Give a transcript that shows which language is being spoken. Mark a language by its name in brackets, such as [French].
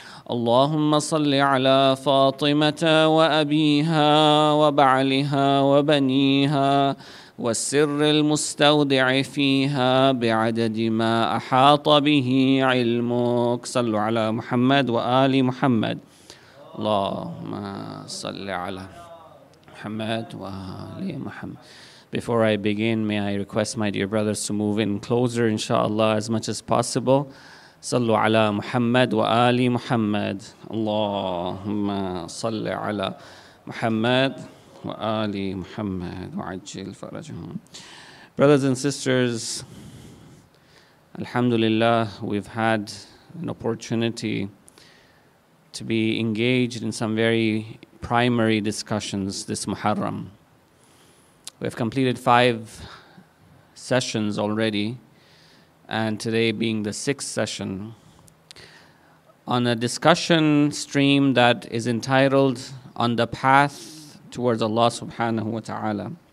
[Arabic] اللهم صل على فاطمة وأبيها وبعلها وبنيها والسر المستودع فيها بعدد ما أحاط به علمك. صلوا على محمد وآل محمد. اللهم صل على محمد وآل محمد. [English] Before I begin, may I request my dear brothers to move in closer, inshallah, as much as possible. [Arabic] صلوا على محمد وآل محمد. اللهم صل على محمد وآل محمد وعجل فرجهم. [English] Brothers and sisters, alhamdulillah, we've had an opportunity to be engaged in some very primary discussions this Muharram. We've completed 5 sessions already, and today being the 6th session, on a discussion stream that is entitled On the Path Towards Allah subhanahu wa ta'ala.